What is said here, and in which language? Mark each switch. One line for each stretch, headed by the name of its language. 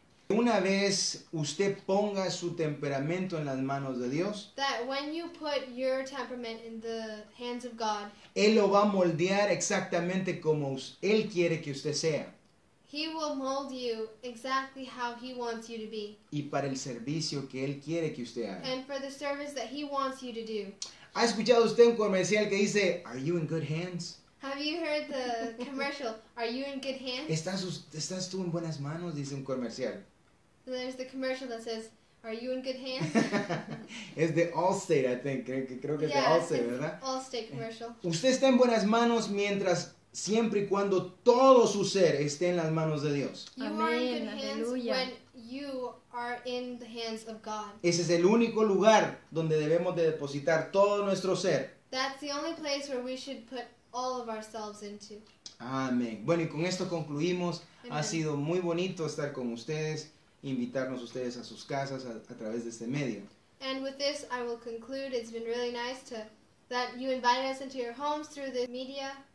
Spanish: Una vez usted ponga su temperamento en las manos de Dios,
English: that when you put your temperament in the hands of God,
Spanish: Él lo va a moldear exactamente como Él quiere que usted sea.
English: He will mold you exactly how he wants you to be.
Spanish: Y para el servicio que él quiere que usted haga.
English: And for the service that he wants you to do.
Spanish: ¿Ha escuchado usted un comercial que dice,
English: are you in good hands? Have you heard the commercial, are you in good hands?
Spanish: ¿Estás tú en buenas manos? Dice un comercial.
English: There's the commercial that says, are you in good hands?
Spanish: Es de Allstate,
English: I think.
Spanish: Creo que
English: yeah,
Spanish: es de Allstate, ¿verdad?
English: Allstate commercial.
Spanish: Usted está en buenas manos mientras... siempre y cuando todo su ser esté en las manos de Dios. Amén, ese es el único lugar donde debemos de depositar todo nuestro ser.
English: That's the only place where we should put all of ourselves into.
Spanish: Amén. Bueno, y con esto concluimos. Amen. Ha sido muy bonito estar con ustedes, invitarnos ustedes a sus casas a través de este medio.
English: And with this I will conclude. It's been really nice to that you invited us into your homes through the media.